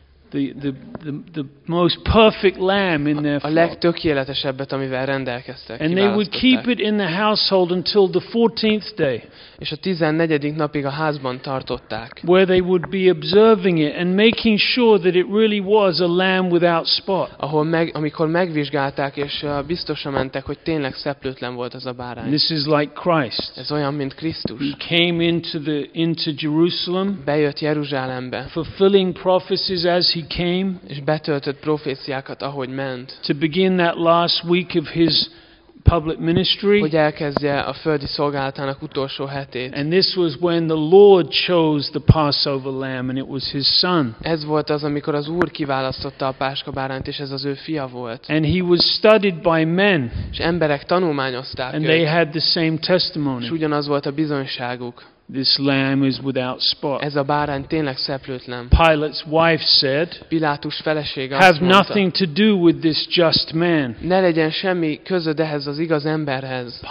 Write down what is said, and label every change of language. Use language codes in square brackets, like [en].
[en] But the most perfect lamb in their flock. [hu] A legtökéletesebbet, amivel rendelkeztek. [en] And they would keep it in the household until the 14th day. [hu] És a 14. napig a házban tartották. [en] Where they would be observing it and making sure that it really was a lamb without spot. [hu] Amikor megvizsgálták és biztosra mentek, hogy tényleg szeplőtlen volt az a bárány. [en] This is like Christ. [hu] Ez olyan, mint Krisztus. [en] He came into Jerusalem. [hu] Bejött Jeruzsálembe. [en] Fulfilling prophecies as he came, [hu] és betöltött proféciákat, ahogy ment, [en] to begin that last week of his public ministry, [hu] hogy elkezdje a földi szolgálatának utolsó hetét. [en] And this was when the Lord chose the Passover lamb, and it was his son. [hu] Ez volt az, amikor az Úr kiválasztotta a páska bárányt, és ez az ő fia volt. [en] And he was studied by men, [hu] és emberek tanulmányozták őt. [en] And they had the same testimony. [hu] És ugyanaz volt a bizonyságuk. [en] This lamb is without spot. [hu] Ez a bárány tényleg szeplőtlen. [en] Pilate's wife said, [hu] Pilátus felesége, [en] have nothing to do with this just man. [hu] Ne legyen semmi közöd ehhez az igaz emberhez.